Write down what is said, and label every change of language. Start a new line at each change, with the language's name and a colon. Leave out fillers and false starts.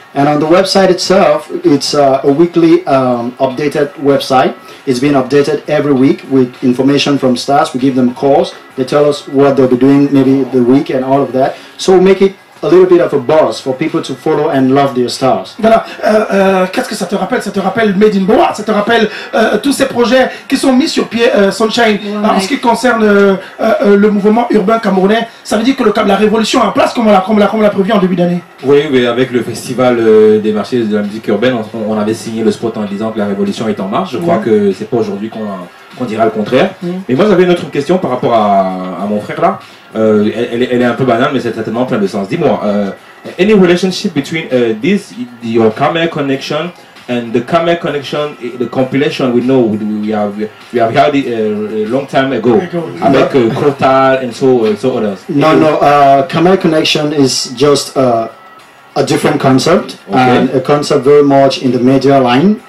English: And on the website itself, it's a weekly updated website. It's been updated every week with information from stars. We give them calls. They tell us what they'll be doing maybe the week and all of that. So we make it a little bit of a buzz for people to follow and love their stars.
French: Voilà. Qu'est-ce que ça te rappelle? Ça te rappelle Made in Boa? Ça te rappelle tous ces projets qui sont mis sur pied, Sunshine? Ouais, en ce qui concerne le mouvement urbain camerounais, ça veut dire que la révolution est en place comme on l'a prévu en début d'année? Oui, mais avec le festival des marchés de la musique urbaine, on avait signé le spot en disant que la révolution est en marche. Je crois que c'est pas aujourd'hui qu'on dira le contraire. Mais moi, j'avais une autre question par rapport à mon frère là. Elle est un peu banale, mais c'est certainement plein de sens. Dis-moi,
English: any relationship between this your Khmer Connection and the Khmer Connection, the compilation we know we have had it a long time ago
French: avec
English: Crotal and so others. No, no. Khmer Connection is just a different concept and a concept very much in the media line.